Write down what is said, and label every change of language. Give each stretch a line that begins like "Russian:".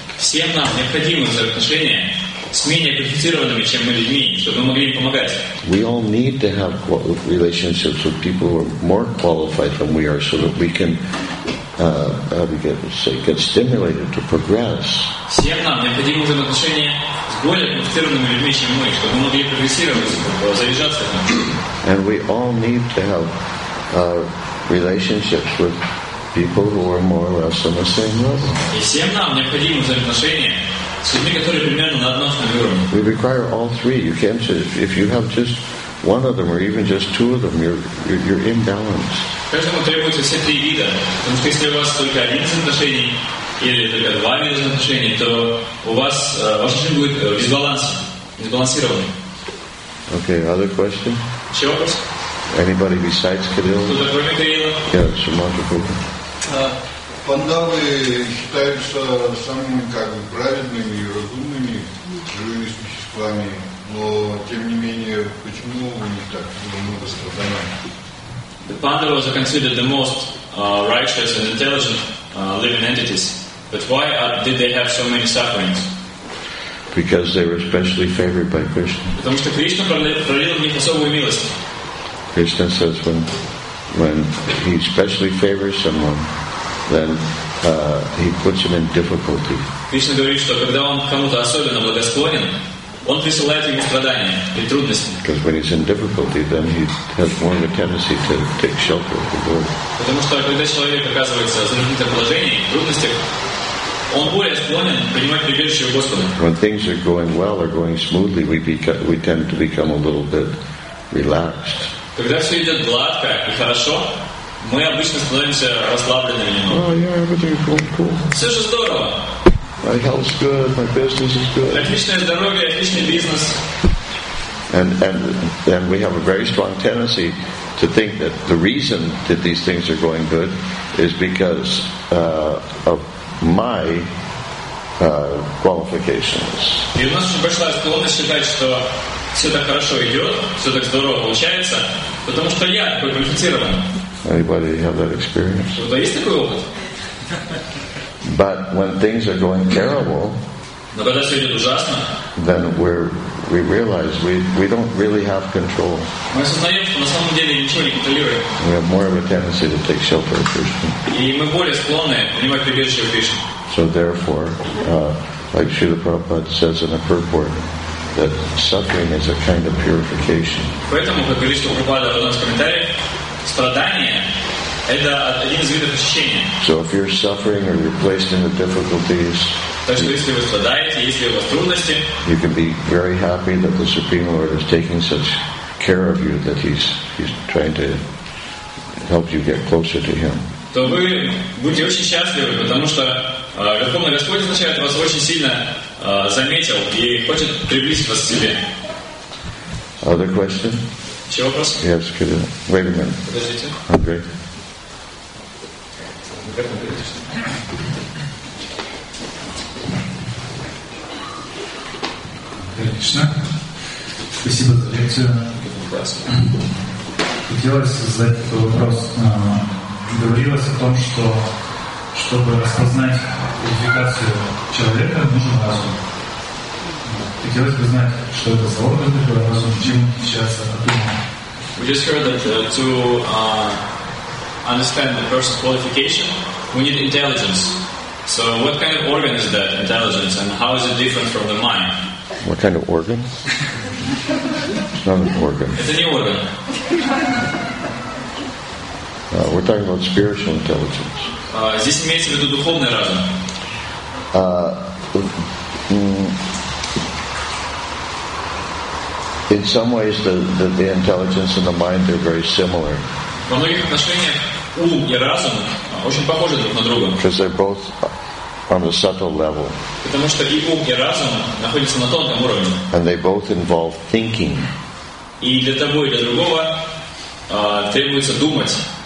Russian: Всем нам необходимы взаимоотношения с менее квалифицированными, чем мы, людьми, чтобы мы могли им помогать.
English: We all need to have relationships with people who are more qualified than we are, so that we can get stimulated to progress.
Russian: Всем нам необходимо взаимоотношения с более квалифицированными людьми, чем мы, чтобы мы могли прогрессировать, заряжаться.
English: And we all need to have relationships with people who are more or less on the same level.
Russian: И всем нам необходимо взаимоотношения с людьми, которые примерно на одном уровне.
English: We require all three. You can't just, if you have just one of them or even just two of them, you're imbalanced.
Russian: Каждому требуется все три вида. Потому что если у вас только один взаимоотношений или только два вида взаимоотношений, то у вас ваша жизнь будет несбалансированной.
English: Okay, other question?
Russian: Еще вопрос?
English: Anybody besides Kirill?
Russian: Кто-то кроме Кирилла?
English: Yeah, Sumantra Bhuta.
Russian: Пандавы считаются самыми как бы праведными и разумными живыми существами, но тем не менее, почему у них так много страданий?
English: The Pandavas are considered the most righteous and intelligent living entities. But why did they have so many sufferings? Because they were specially favored by Krishna. Krishna says when he specially favors someone, then he puts him in difficulty.
Russian: Krishna говорит, что когда он кому-то особенно благосклонен, он присылает ему страдания и трудности.
English: Because when he's in difficulty, then he has more of a tendency to take shelter of the Lord.
Russian: Потому что когда человек оказывается в затруднительном положении, в трудностях, он более склонен принимать прибежище у Господа.
English: When things are going well or going smoothly, we tend to become a little bit relaxed.
Russian: Когда все идет гладко и хорошо, мы обычно становимся расслабленными немного.
English: Oh yeah, everything's going cool.
Russian: Все же здорово.
English: My health's good. My business is good.
Russian: Отличное здоровье, отличный бизнес.
English: And we have a very strong tendency to think that the reason that these things are going good is because of my qualifications.
Russian: И у нас очень большая склонность считать, что все так хорошо идет, все так здорово получается, потому что я такой квалифицированный.
English: Anybody have that experience? But when things are going terrible, then we realize we don't really have control. We have more of a tendency to take shelter of Krishna. So therefore, like Srila Prabhupada says in a purport, that suffering is a kind of purification.
Russian: Страдание это один из видов очищения.
English: So if you're suffering or you're placed into difficulties,
Russian: так что если вы страдаете, если у вас трудности,
English: you can be very happy that the Supreme Lord is taking such care of you that he's trying to help you get closer to him.
Russian: То вы будете очень счастливы, потому что Верховный Господь означает вас очень сильно заметил и хочет приблизить вас к себе.
English: Other question? Yes, could you? Wait a minute. Andre.
Russian: Krishna. Спасибо за лекцию. Хотелось задать такой вопрос. Говорилось о том, что чтобы распознать квалификацию человека, нужен разум. Хотелось бы знать, что это за орган такой разум, чем сейчас отдумал.
English: We just heard that to understand the person's qualification, we need intelligence. So what kind of organ is that, intelligence, and how is it different from the mind? What kind of organ? It's not an organ. It's a new organ. We're talking about spiritual intelligence.
Russian: Здесь имеется в виду духовный разум.
English: In some ways, the intelligence and the mind are very similar.
Russian: Во многих отношениях ум и разум очень похожи друг на друга.
English: Because they're both on a subtle level.
Russian: Потому что и ум, и разум находятся на тонком уровне.
English: And they both involve thinking.
Russian: И для того, и для другого требуется думать.